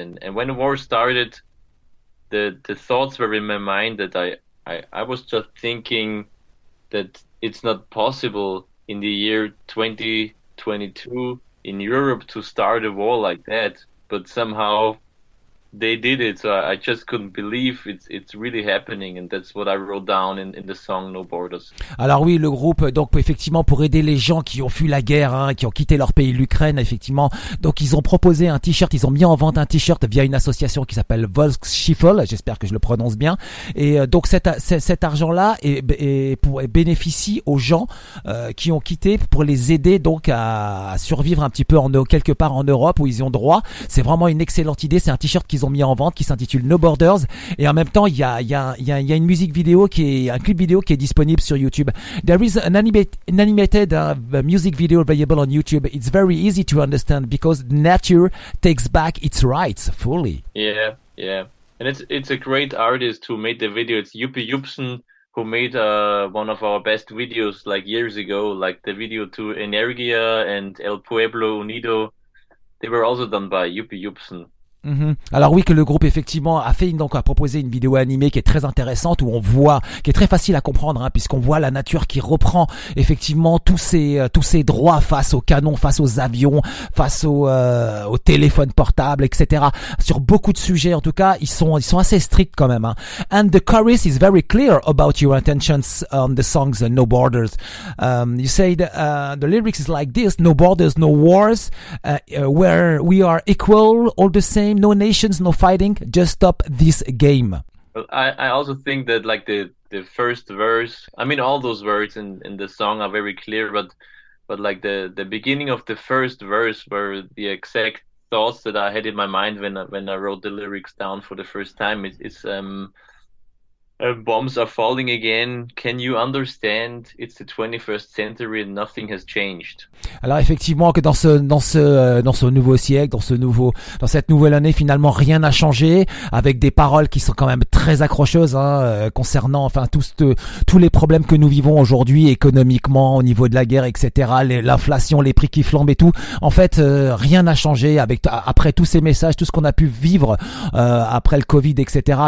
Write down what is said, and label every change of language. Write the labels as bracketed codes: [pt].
[en] And when the war started, the thoughts were in my mind that I was just thinking that it's not possible in the year 2022 in Europe to start a war like that, but somehow they did it. So I just couldn't believe it's really happening, and that's what I wrote down in the song No Borders. [fr] Alors oui, le groupe, donc effectivement, pour aider les gens qui ont fui la guerre, hein, qui ont quitté leur pays, l'Ukraine, effectivement, donc ils ont proposé un t-shirt, ils ont mis en vente un t-shirt via une association qui s'appelle Volksschiffel, j'espère que je le prononce bien. Et donc cet argent là bénéficie aux gens qui ont quitté, pour les aider donc à survivre un petit peu quelque part en Europe où ils ont droit. C'est vraiment une excellente idée. C'est un t-shirt qu'ils ont mis en vente, qui s'intitule No Borders. Et en même temps, il y a une musique vidéo un clip vidéo qui est disponible sur YouTube. [en] There is an animated music video available on YouTube. It's very easy to understand because nature takes back its rights fully. Yeah, yeah. And it's a great artist who made the video. It's Juppi Jupsen who made one of our best videos like years ago, like the video to Energia and El Pueblo Unido. They were also done by Juppi Jupsen. [fr] Alors oui, que le groupe effectivement a proposé une vidéo animée qui est très intéressante, où on voit, qui est très facile à comprendre, hein, puisqu'on voit la nature qui reprend effectivement tous ses droits face aux canons, face aux avions, face aux téléphones portables, etc. Sur beaucoup de sujets, en tout cas, ils sont assez stricts quand même, hein. [en] And the chorus is very clear about your intentions on the songs No Borders. You said the lyrics is like this: No borders, no wars, where we are equal, all the same. No nations, no fighting, just stop this game. Well, I also think that, like, the first verse, I mean, all those words in the song are very clear, but like the beginning of the first verse were the exact thoughts that I had in my mind when I wrote the lyrics down for the first time. It's Bombs are falling again. Can you understand? It's the 21st century and nothing has changed. [fr] Alors effectivement que dans ce nouveau siècle, dans cette nouvelle année, finalement rien n'a changé, avec des paroles qui sont quand même très accrocheuses hein, concernant enfin tous les problèmes que nous vivons aujourd'hui économiquement, au niveau de la guerre, etc. L'inflation, les prix qui flambent et tout. En fait, rien n'a changé après tous ces messages, tout ce qu'on a pu vivre après le Covid, etc.